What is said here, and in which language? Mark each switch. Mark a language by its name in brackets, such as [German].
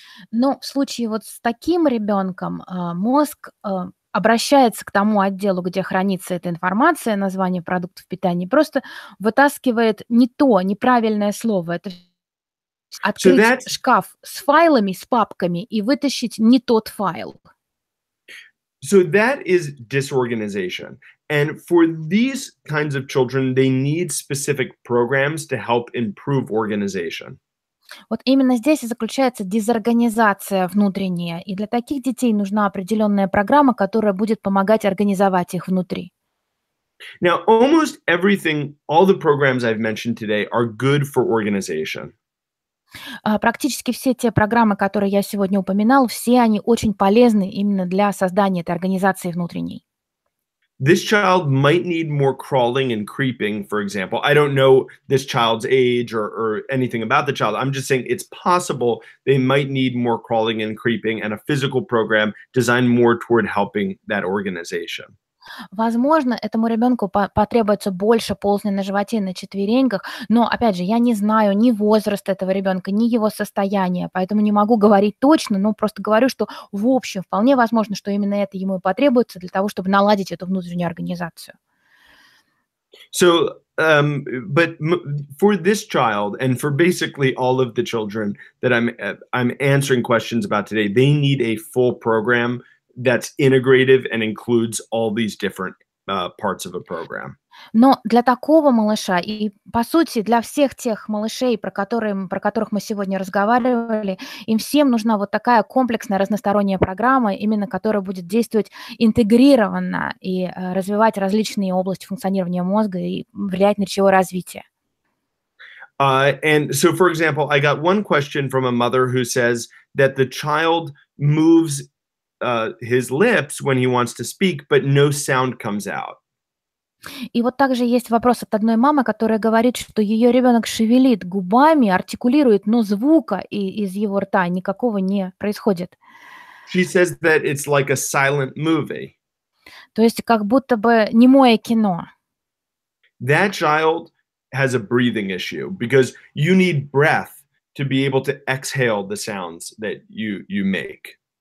[Russian] Но в случае вот с таким ребенком мозг обращается к тому отделу, где хранится эта информация, название продуктов питания, просто вытаскивает не то, неправильное слово. Это открыть шкаф с файлами, с папками и вытащить не тот файл. [English] So that is disorganization. And for these kinds of children, they need specific programs to help improve organization. [Russian] Вот именно здесь и заключается дезорганизация внутренняя. И для таких детей нужна определенная программа, которая будет помогать организовать их внутри. [English] Now, almost everything, all the programs I've mentioned today are good for organization. [Russian] Практически все те программы, которые я сегодня упоминал, все они очень полезны именно для создания этой организации внутренней. [English] This child might need more crawling and creeping, for example. I don't know this child's age or anything about the child. I'm just saying it's possible they might need more crawling and creeping and a physical program designed more toward helping that organization. [Russian] Возможно, этому ребенку потребуется больше ползания на животе, на четвереньках, но, опять же, я не знаю ни возраст этого ребенка, ни его состояние, поэтому не могу говорить точно, но просто говорю, что в общем вполне возможно, что именно это ему и потребуется для того, чтобы наладить эту внутреннюю организацию. [English] So, but for this child and for basically all of the children that I'm answering questions about today, they need a full program that's integrative and includes all these different parts of a program. [Russian] Но для такого малыша и, по сути, для всех тех малышей, про которых мы сегодня разговаривали, им всем нужна вот такая комплексная разносторонняя программа, именно которая будет действовать интегрированно и развивать различные области функционирования мозга и влиять на речевое развитие. [English] And so, for example, I got one question from a mother who says that the child moves his lips when he wants to speak, but no sound comes out. [Russian] И вот также есть вопрос от одной мамы, которая говорит, что ее ребенок шевелит губами, артикулирует, но звука из его рта никакого не происходит. [English] She says that it's like a silent movie. [Russian] То есть как будто бы немое кино. [English] That child has a breathing issue because you need breath to be able to exhale the sounds that you make.